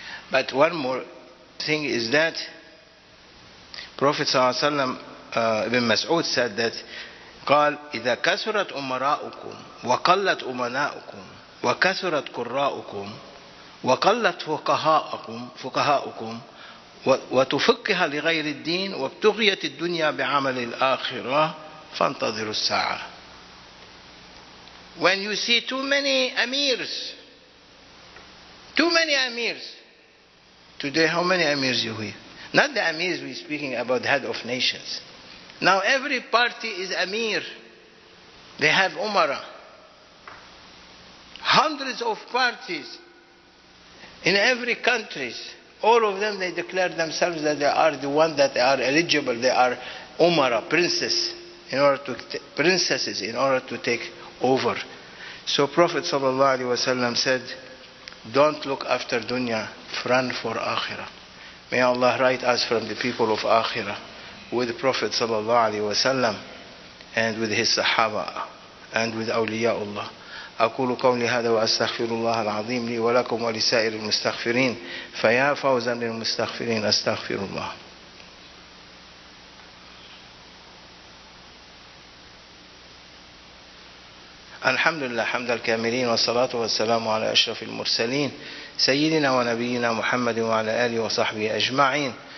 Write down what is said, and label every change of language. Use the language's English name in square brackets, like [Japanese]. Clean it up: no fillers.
[English] But one more thing is that Prophet sallallahu alaihi wasallam, Ibn Mas'ud said that, [Arabic] قال إذا كثرت أمراؤكم وقلت أمناؤكم وكثرت قراؤكم وقلت فقهاؤكم وتفقه لغير الدين وابتغيت الدنيا بعمل الآخرة فانتظروا الساعة. [English] When you see too many emirs, today how many emirs you hear? Not the emirs we're speaking about, the head of nations. Now every party is emir. They have umara. Hundreds of parties in every country. All of them, they declare themselves that they are the one that they are eligible. They are umara, princes, in order to take over. So Prophet sallallahu alaihi wasallam said, don't look after dunya, run for akhirah. May Allah write us from the people of akhirah with the Prophet sallallahu alaihi wasallam and with his sahaba and with awliyaullah. [Arabic] أقول قولي هذا وأستغفر الله العظيم لي ولكم ولسائر المستغفرين فيا فوزا للمستغفرين أستغفر الله. الحمد لله حمد الكاملين والصلاة والسلام على أشرف المرسلين سيدنا ونبينا محمد وعلى آله وصحبه أجمعين.